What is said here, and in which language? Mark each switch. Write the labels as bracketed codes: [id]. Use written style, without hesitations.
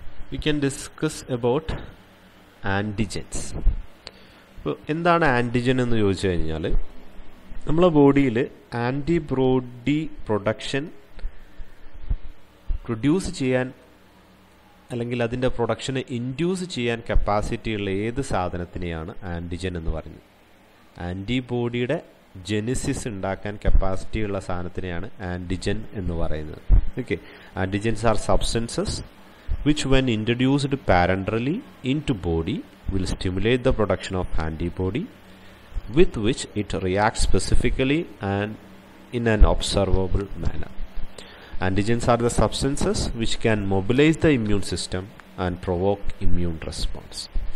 [en] we can discuss about antigens. [ml] എന്താണ് antigen എന്ന് ചോദിച്ചു കഴിഞ്ഞാൽ, നമ്മളെ ബോഡിയിൽ ആൻറ്റിബോഡി പ്രൊഡക്ഷൻ പ്രൊഡ്യൂസ് ചെയ്യാൻ അല്ലെങ്കിൽ അതിൻ്റെ പ്രൊഡക്ഷനെ ഇൻഡ്യൂസ് ചെയ്യാൻ കപ്പാസിറ്റിയുള്ള ഏത് സാധനത്തിനെയാണ് ആൻറ്റിജൻ എന്ന് പറയുന്നത്. ആൻറ്റിബോഡിയുടെ ജെനിസിസ് ഉണ്ടാക്കാൻ കപ്പാസിറ്റിയുള്ള സാധനത്തിനെയാണ് ആൻറ്റിജൻ എന്ന് പറയുന്നത്. [en] Okay, antigens are substances which when introduced parenterally into body will stimulate the production of antibody with which it reacts specifically and in an observable manner. Antigens are the substances which can mobilize the immune system and provoke immune response.